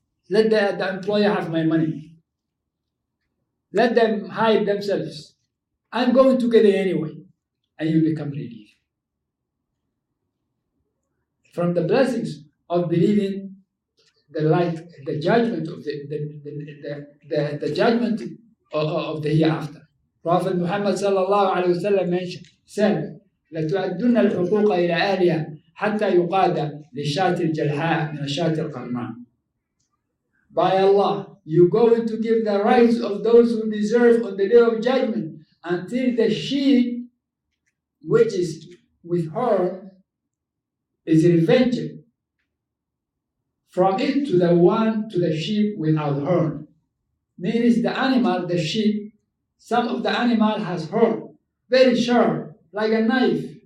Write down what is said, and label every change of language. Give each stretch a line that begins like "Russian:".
English: Let the employer have my money. Let them hide themselves. I'm going to get it anyway. And you become relieved. From the blessings of believing, the light, the judgment of the judgment of the hereafter. Prophet Muhammad sallallahu alaihi wasallam mentioned, said,
Arabic: "لَتُعَدُّنَّ الْحُقُوقَ إِلَى أَهْلِهَا حَتَّى يُقَادَ لِشَاتِ الْجَلْحَاءَ مِنَ شَاتِ الْقَرْمَانِ."
English: By Allah, you are going to give the rights of those who deserve on the day of judgment until the sheep, which is with her, is revenged. From it to the one, to the sheep without horn. Meaning the animal, the sheep, some of the animal has horn, very sharp, like a knife.